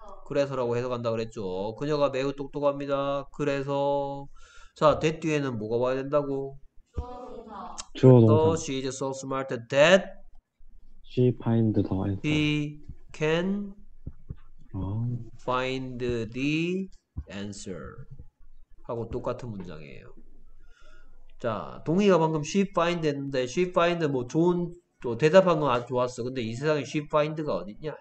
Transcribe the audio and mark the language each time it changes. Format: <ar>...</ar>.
<ko>그래서라고 해석한다 그랬죠. 그녀가 매우 똑똑합니다. 그래서 자, that 뒤에는 뭐가 와야 된다고? 주어동사.</ko> <en>Though she is so smart that She find the answer. he can</en> <ko>어?</ko> <en>find the answer</en> <ko>하고 똑같은 문장이에요. 자, 동의가 방금</ko> <en>she find</en> <ko>했는데 she find 뭐 좋은 또 대답한 건 아주 좋았어. 근데 이 세상에 she find가 어딨냐?</ko>